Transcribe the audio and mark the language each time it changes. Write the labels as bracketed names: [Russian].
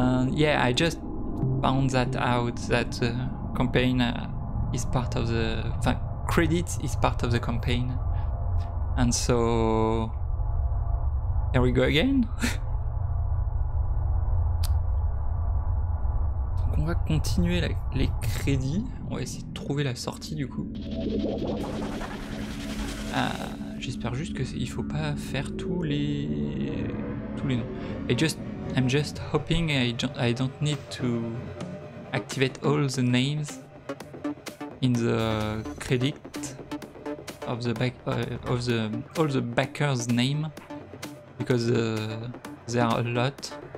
[English] Yeah, I just found that out, that campaign is part of the credit is part of the campaign, and so here we go again. [French] Donc on va continuer les crédits, on va essayer de trouver la sortie du coup. J'espère juste qu'il faut pas faire tous les noms. [English] I'm just hoping I don't need to activate all the names in the credit of the back of the all the backers name, because there are a lot.